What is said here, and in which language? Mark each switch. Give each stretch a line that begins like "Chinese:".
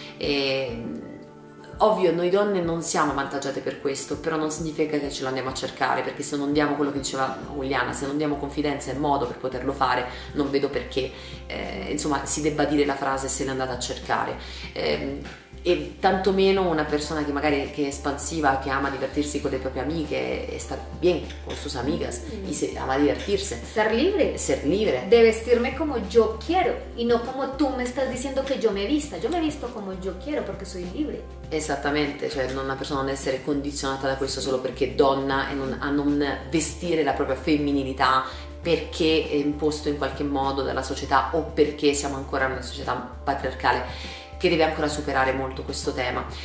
Italian: E ovvio, noi donne non siamo avvantaggiate per questo, però non significa che ce lo andiamo a cercare, perché se non diamo, quello che diceva Giuliana, se non diamo confidenza e modo per poterlo fare, non vedo perché insomma si debba dire la frase se l'è andata a cercare. E tantomeno una persona che magari che è espansiva, che ama divertirsi con le proprie amiche e sta
Spanish: bien con sus amigas, y se ama divertirse. Ser libre. De vestirme como yo quiero y no como tú me estás diciendo que yo me vista. Yo me visto como yo quiero porque soy libre.
Italian: Esattamente, cioè non una persona non essere condizionata da questo solo perché è donna, e non, a non vestire la propria femminilità perché è imposto in qualche modo dalla società o perché siamo ancora in una società patriarcale, che deve ancora superare molto questo tema.